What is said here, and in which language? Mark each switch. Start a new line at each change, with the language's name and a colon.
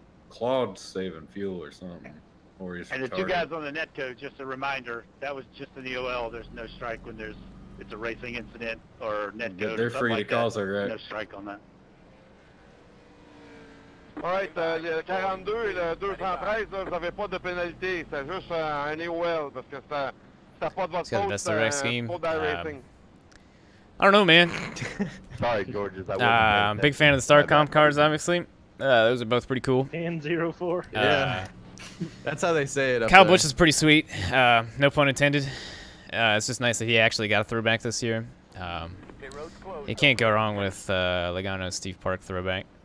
English: Claude's saving fuel or something. Or he's and the two guys on the Netco, just a reminder, that was just an EOL. There's no strike when it's a racing incident or Netco. They're or something free like to that. Cause a wreck. No strike on that.
French: All right, 42, le 213, vous n'avez pas de pénalité. C'est juste un EOL parce que ça n'a pas de votre faute pour
English: racing. I don't know, man. Sorry, Gorgeous. I'm a big fan of the StarCom cars, obviously. Those are both pretty cool. And 04. Yeah. That's how they say it. Kyle Busch is pretty sweet. No pun intended. It's just nice that he actually got a throwback this year. You can't go wrong with Logano's Steve Park throwback.